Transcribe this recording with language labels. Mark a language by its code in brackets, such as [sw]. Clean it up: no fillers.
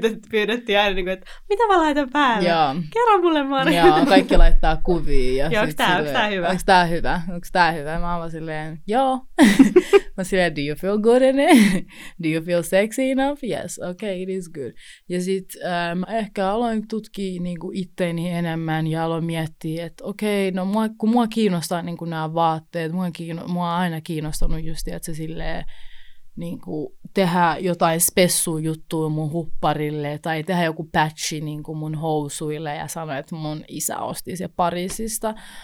[fi] Pyydettiin aina, niinku, että mitä mä laitan päälle? Joo. Kerro mulle, Mari. Joo, kaikki laittaa kuvia. Ja joo, onks tää hyvä? Onks tää hyvä? Mä oon silleen, joo. Mä silleen, [en] do you feel good in it? Do you feel sexy enough? Yes, okay, it is good. [fi] Ja sit mä ehkä aloin tutkia niinku itteeni enemmän ja aloin miettiä, että okei, okay, no mua kiinnostaa niinku nää vaatteet, mua on aina kiinnostanut just, että se silleen niinku tehdä jotain spessujuttuja mun hupparille tai tehdä joku patchi niinku mun housuille ja sanoa, että mun isä osti se Pariisista.